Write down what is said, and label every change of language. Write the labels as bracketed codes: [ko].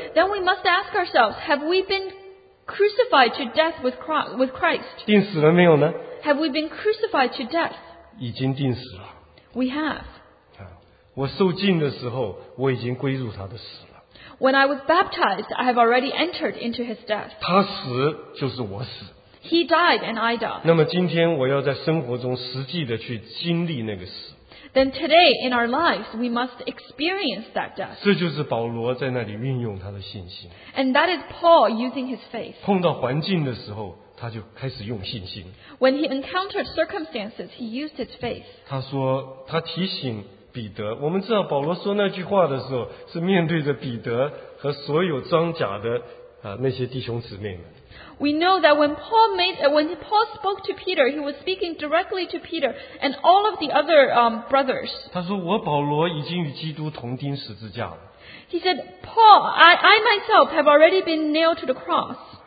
[en] Then we must ask ourselves, have we been crucified to death with Christ? [zh] 钉死了没有呢? [en] Have we been crucified to death? [zh] 已经钉死了。 [en] We have. [zh] 我受浸的时候, 我已经归入他的死了。 [en] When I was baptized, I have already entered into his death. [zh] 他死就是我死。 [en] He died and I died. [zh] 那么今天我要在生活中实际的去经历那个死。 [en] Then today in our lives we must experience that death. [zh] 这就是保罗在那里运用他的信心。 [en] And that is Paul using his faith. [zh] 碰到环境的时候, 他就开始用信心。 [en] When he encountered circumstances, he used his faith. [zh] 他说，他提醒彼得。我们知道保罗说那句话的时候, 是面对着彼得和所有装甲的那些弟兄姊妹们。 [en] We know that when Paul spoke to Peter, he was speaking directly to Peter and all of the other brothers. [zh] 他说，我保罗已经与基督同钉十字架了。 [en] He said, Paul, I myself have already been nailed to the cross.